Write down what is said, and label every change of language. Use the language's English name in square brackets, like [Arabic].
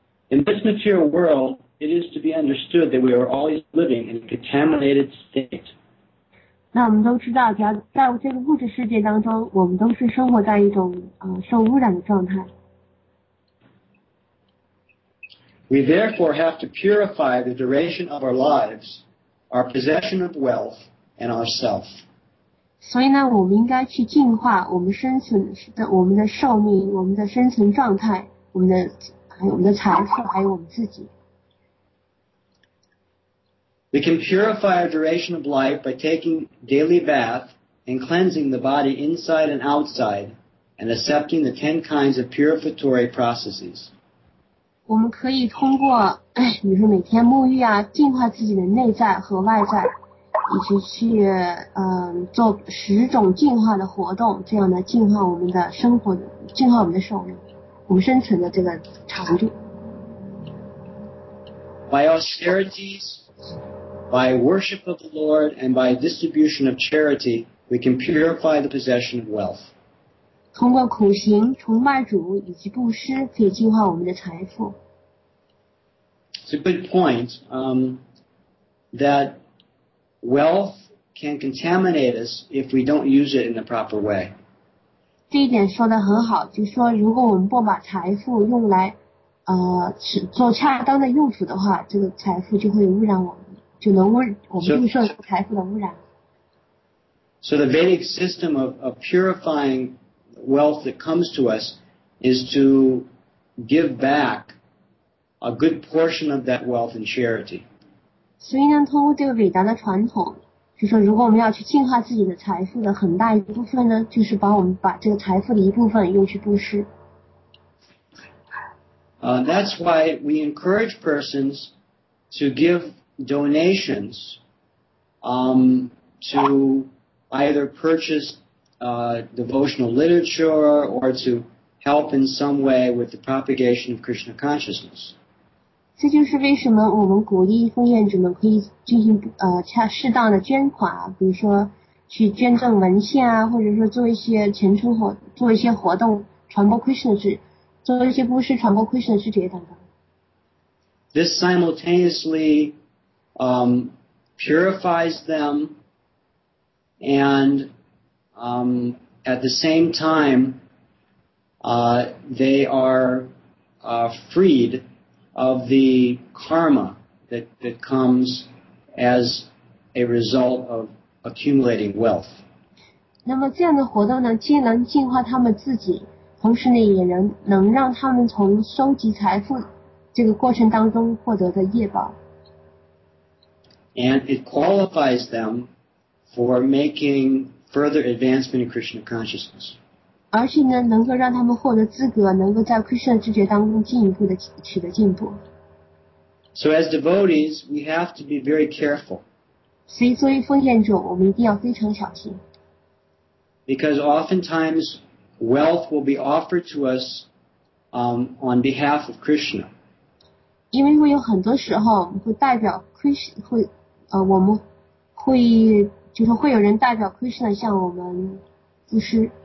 [English] In this material world, it is to be understood that we are always living in a contaminated state. [Chinese] 那我们都知道，只要在这个物质世界当中，我们都是生活在一种受污染的状态。 [English] We therefore have to purify the duration of our lives, our possession of wealth, and ourselves. [Chinese] 所以呢，我们应该去净化我们生存的我们的寿命、我们的生存状态、我们的还有我们的财富，还有我们自己。 [English] We can purify our duration of life by taking daily bath and cleansing the body inside and outside, and accepting the 10 kinds of purificatory processes. [Chinese] 我们可以通过，比如说每天沐浴啊，净化自己的内在和外在。以及去做10种进化的活动，这样的进化我们的生活，进化我们的寿命，我们生存的这个长度。 [English] By austerities, by worship of the Lord, and by distribution of charity, we can purify the possession of wealth. [Chinese] 通过苦行、崇拜主以及布施，可以进化我们的财富。 [English] It's a good point, that. Wealth can contaminate us if we don't use it in the proper way. [Chinese] 这一点说得很好，就是说如果我们不把财富用来做恰当的用途的话，这个财富就会污染我们，就能污我们就受财富的污染。 [English] So the Vedic system of purifying wealth that comes to us is to give back a good portion of that wealth in charity. [Chinese] 所以呢，通过这个伟大的传统，就是说如果我们要去净化自己的财富的很大一部分呢，就是把我们把这个财富的一部分用去布施。 [English] That's why we encourage persons to give donations to either purchase devotional literature or to help in some way with the propagation of Krishna consciousness. [Chinese] 这就是为什么我们鼓励奉献者们可以进行适当的捐款，比如说去捐赠文献啊，或者说做一些前程活做一些活动传播 Krishna 知识。做一些布施传播 Krishna 知识等等。 [English] This simultaneously purifies them and at the same time they are freed of the karma that comes as a result of accumulating wealth. [Chinese] 那么这样的活动呢，既能净化他们自己，同时呢，也能让他们从收集财富这个过程当中获得的业报。 [English] And it qualifies them for making further advancement in Krishna consciousness. [Chinese] 而且呢，能够让他们获得资格，能够在 Krishna 知觉当中进一步的取得进步。 [English] So as devotees, we have to be very careful. [Chinese] 所以作为奉献者，我们一定要非常小心。 [English] Because oftentimes,Wealth will be offered to us on behalf of Krishna. [Chinese] 因为会有很多时候会代表 Krishna 会我们会就是会有人代表 Krishna 向我们布施。